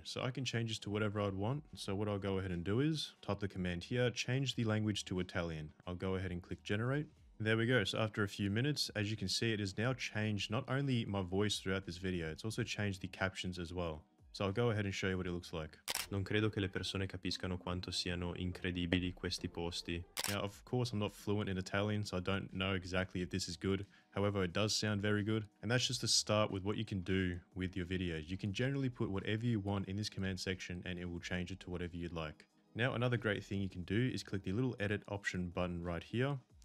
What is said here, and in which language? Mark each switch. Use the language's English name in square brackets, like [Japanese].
[English] So I can change this to whatever I'd want. So what I'll go ahead and do is type the command here, change the language to Italian. I'll go ahead and click generate. There we go. So after a few minutes, as you can see, it has now changed not only my voice throughout this video, it's also changed the captions as well. So I'll go ahead and show you what it looks like. [Italian] non credo che le persone capiscano quanto siano incredibili questi posti. [English] Now, of course, I'm not fluent in Italian, so I don't know exactly if this is good. However, it does sound very good. And that's just the start with what you can do with your videos. You can generally put whatever you want in this command section and it will change it to whatever you'd like. Now, another great thing you can do is click the little edit option button right here.